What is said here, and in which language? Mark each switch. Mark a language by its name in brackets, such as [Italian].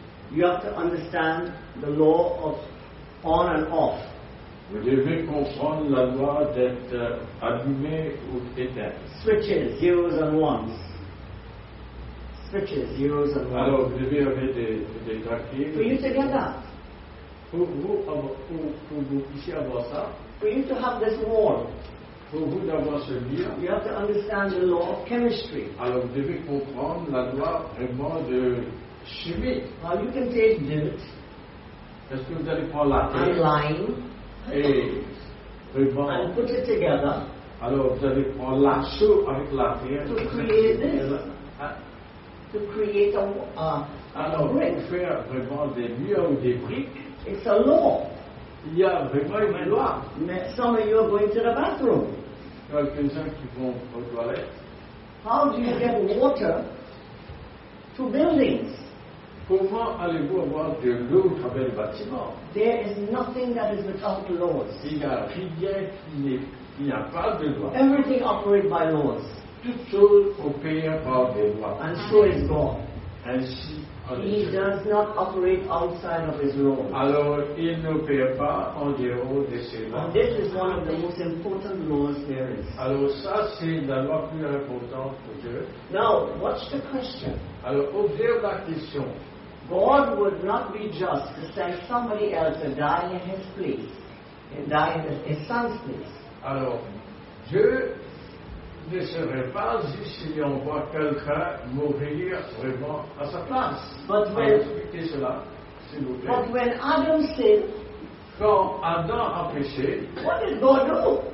[English] You have to understand the law of on and off. [French] Vous devez comprendre la loi d'être allumé ou éteint. [English] Switches, zeros and ones. Switches, zeros and ones. [French] Alors, vous devez avoir des graphiques. [English] For you to get that. [French] Pour vous puissiez avoir ça. [English] For you to have this wall. [French] Pour vous d'avoir ce lien. [English] You have to understand the law of chemistry. [French] Alors, vous devez comprendre la loi vraiment de chimie. [English] Well, you can take dirt. [French] Est-ce que vous allez prendre la terre? [English] And lime. [French] Et vraiment, [English] and put it together. [French] Alors vous allez prendre la chose avec la terre. [English] To create this. To create a [French] alors, [English] brick. [French] Pour faire vraiment des murs ou des briques. [English] It's a law. [French] Il y a vraiment une loi. [English] Mais some of you are going to the bathroom. [French] Quelques-uns qui vont aux toilettes. [English] How do you get water to buildings? [French] Comment allez-vous avoir de l'eau à travers le bâtiment? [English] There is nothing that is without laws. [French] Il n'y a rien qui n'a pas de loi. [English] Everything operates by laws. [French] Toute chose opère par des lois. [English] And so is God. [French] Ainsi, [English] He does not operate outside of His law. [French] Alors, il n'opère pas en dehors de ses lois. [English] And this is one of the most important laws there is. [French] Alors, ça, c'est la loi plus importante pour Dieu. [English] Now, watch the question. [French] Alors, observe la question. [English] God would not be just to send somebody else to die in His place, and die in His Son's place. [French] Alors, Dieu ne serait pas juste s'il envoie quelqu'un mourir vraiment à sa place. [English] But when, [French] expliquez cela, s'il vous plaît. [English] But when Adam sinned, [French] quand Adam a péché, [English] what did God do?